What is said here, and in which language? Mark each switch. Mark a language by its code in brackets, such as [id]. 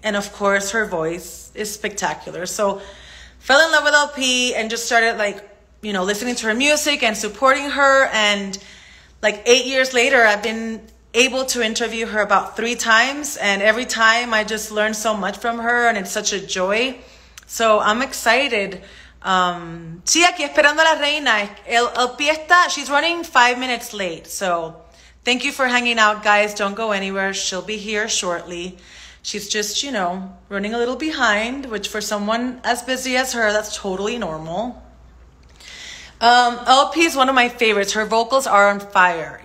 [en] And of course her voice is spectacular. So fell in love with LP and just started like, you know, listening to her music and supporting her. And like 8 years later, I've been able to interview her about 3 times. And every time I just learn so much from her and it's such a joy. So I'm excited. [es] Sí, aquí esperando a la reina. [en] El Piesta, she's running 5 minutes late. So thank you for hanging out, guys. Don't go anywhere. She'll be here shortly. She's just, you know, running a little behind, which for someone as busy as her, that's totally normal. LP is one of my favorites. Her vocals are on fire.